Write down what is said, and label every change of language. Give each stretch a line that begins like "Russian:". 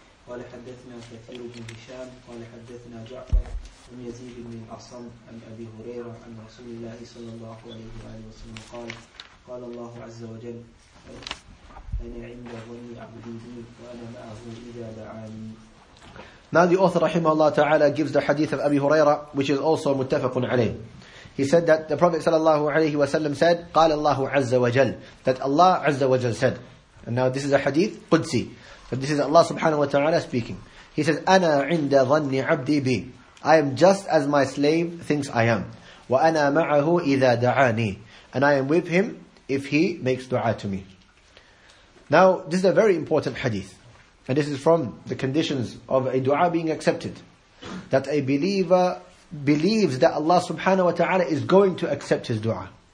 Arabic: قال حدثنا كثير بن هشام قال حدثنا جعفر بن يزيد بن الأصم عن أبي هريرة عن رسول الله صلى الله عليه وآله وسلم قال قال الله عز وجل أنا عند ظني عبدي بي وأنا معه إذا دعاني.
English: Now the author, rahimahullah ta'ala, gives the hadith of Abi Huraira, which is also muttafaqun alayh. He said that the Prophet sallallahu alayhi wa sallam said,
Arabic: قال الله عز وجل,
English: that Allah عز وجل said. And now this is a hadith, Qudsi. But this is Allah subhanahu wa ta'ala speaking. He says,
Arabic: أنا عند ظن عبدي بي.
English: I am just as my slave thinks I am.
Arabic: وأنا معه إذا دعاني.
English: And I am with him if he makes dua to me. Now, this is a very important hadith. And this is from the conditions of a dua being accepted. That a believer believes that Allah subhanahu wa ta'ala is going to accept his dua.